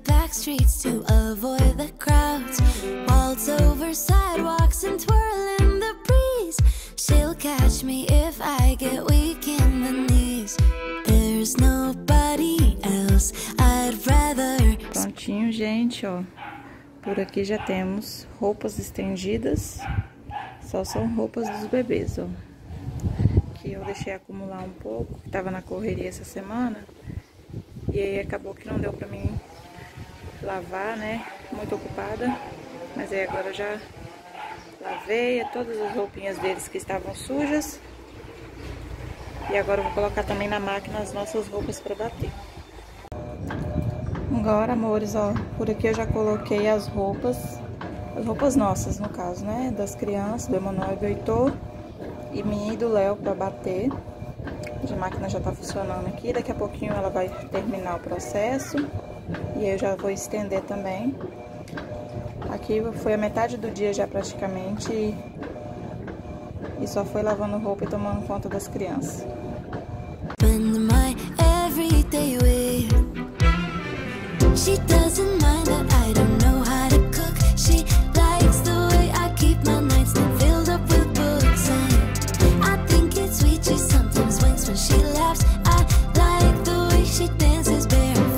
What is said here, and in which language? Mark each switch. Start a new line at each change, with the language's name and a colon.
English: Streets to avoid the crowds, waltz over sidewalks and twirl in the breeze. She'll catch me if I get weak in the knees. There's nobody else I'd rather.
Portuguese: Prontinho, gente, ó. Por aqui já temos roupas estendidas. Só são roupas dos bebês, ó. Que eu deixei acumular um pouco, que tava na correria essa semana. E aí acabou que não deu pra mim lavar, né? Muito ocupada. Mas aí agora já lavei todas as roupinhas deles que estavam sujas. E agora eu vou colocar também na máquina as nossas roupas para bater. Agora, amores, ó, por aqui eu já coloquei as roupas. As roupas nossas, no caso, né? Das crianças, do Emanuel e do Heitor. E minha e do Léo para bater. A máquina já tá funcionando aqui. Daqui a pouquinho ela vai terminar o processo. E eu já vou estender também. Aqui foi a metade do dia já praticamente. E só foi lavando roupa e tomando conta das crianças.
English: Spend my everyday with. She doesn't mind that I don't know how to cook. She likes the way I keep my nights filled up with books. And I think it's sweet, she sometimes winks when she laughs. I like the way she dances bare.